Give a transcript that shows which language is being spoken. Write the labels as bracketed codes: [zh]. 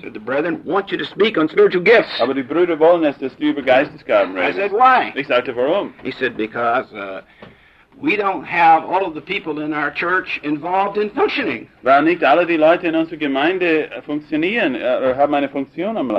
[en] Said, the brethren want you to speak on spiritual gifts. [de] Aber die Brüder wollen es, dass du über Geistesgaben redest. [en] I said, why? [de] Ich sagte, warum? [en] He said, because... We don't have all of the people in our church involved in functioning. [de] Weil nicht alle die Leute in unserer Gemeinde funktionieren oder haben eine Funktion am Leib.